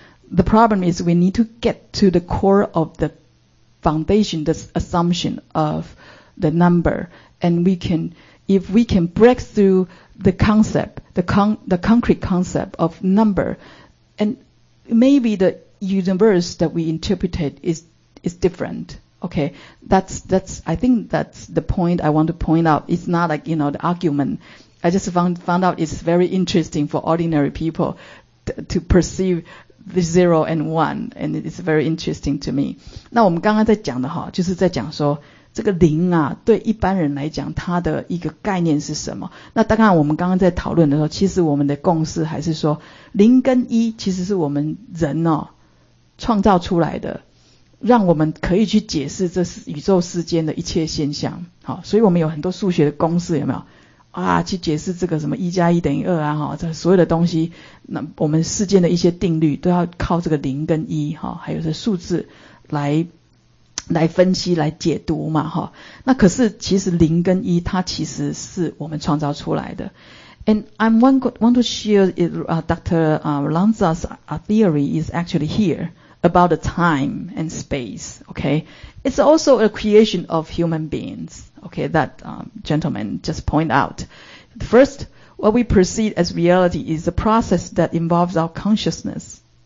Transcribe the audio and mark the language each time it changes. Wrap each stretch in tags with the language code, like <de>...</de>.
<en>The problem is we need to get to the core of the foundation, this assumption of the number, and we can, if we can break through the concept, the concrete concept of number, and maybe the universe that we interpret is different. Okay, that's I think that's the point I want to point out. It's not like, you know, the argument. I just found out it's very interesting for ordinary people to perceive the zero and one, and it's very interesting to me.</en> <zh>那我们刚刚在讲的哈，就是在讲说这个零啊，对一般人来讲，它的一个概念是什么？那当然，我们刚刚在讨论的时候，其实我们的共识还是说，零跟一其实是我们人哦创造出来的，让我们可以去解释这是宇宙世间的一切现象。好，所以我们有很多数学的公式，有没有？啊，去解释这个什么一加一等于二啊，哈，这所有的东西，那我们世间的一些定律都要靠这个零跟一，哈，还有这数字来分析、来解读嘛，哈。那可是其实零跟一，它其实是我们创造出来的。</zh> <en>And I want to share it, Dr. Lanza's theory is actually here about the time and space. Okay, it's also a creation of human beings. Okay, that gentleman just point out. First, what we perceive as reality is a process that involves our consciousness.</en>